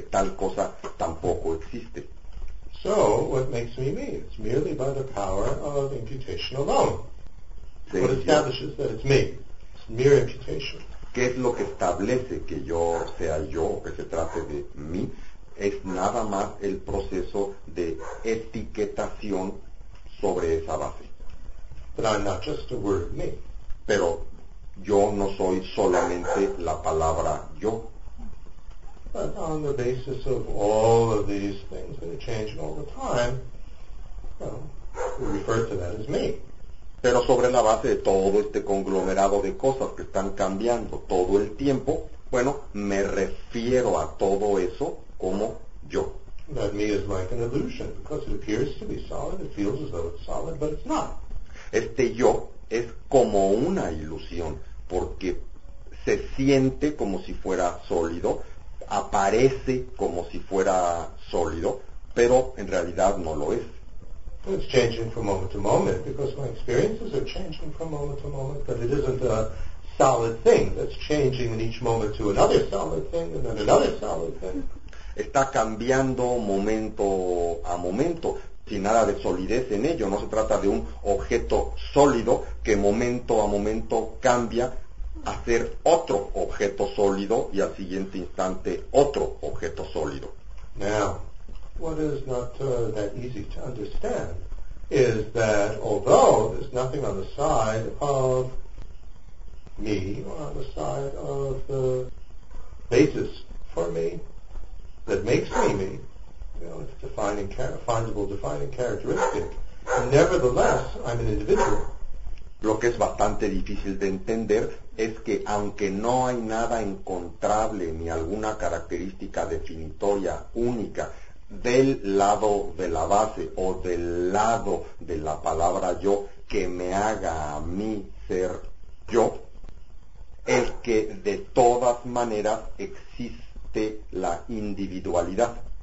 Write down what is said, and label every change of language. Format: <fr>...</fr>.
<es>Tal cosa tampoco existe.</es> <en>So, what makes me me? It's merely by the power of imputation alone.</en> <es>Sí,</es> <en>what establishes that it's me? It's mere imputation.</en> <es>¿Qué es lo que establece que yo sea yo, que se trate de mí? Es nada más el proceso de etiquetación sobre esa base.</es> <en>But I'm not just the word me.</en> <es>Pero yo no soy solamente la palabra yo.</es> <en>But on the basis of all of these things that are changing all the time, well, we refer to that as me.</en> <es>Pero sobre la base de todo este conglomerado de cosas que están cambiando todo el tiempo, bueno, me refiero a todo eso como yo.</es> <en>That me is like an illusion, because it appears to be solid, it feels as though it's solid, but it's not.</en> <es>Este yo es como una ilusión, porque se siente como si fuera sólido, aparece como si fuera sólido, pero en realidad no lo es.</es> <en>It's changing from moment to moment, because my experiences are changing from moment to moment, but it isn't a solid thing that's changing in each moment to another solid thing, and then another solid thing.</en> <es>Está cambiando momento a momento, sin nada de solidez en ello. No se trata de un objeto sólido que momento a momento cambia a ser otro objeto sólido y al siguiente instante otro objeto sólido.</es> <en>Now, what is not that easy to understand is that although there's nothing on the side of me or on the side of the basis for me, that makes me me, you know, it's a defining, definable characteristic. And nevertheless, I'm an individual.</en> <es>Lo que es bastante difícil de entender es que aunque no hay nada encontrable ni alguna característica definitoria única del lado de la base o del lado de la palabra yo que me haga a mí ser yo, es que de todas maneras existe la individualidad.</es>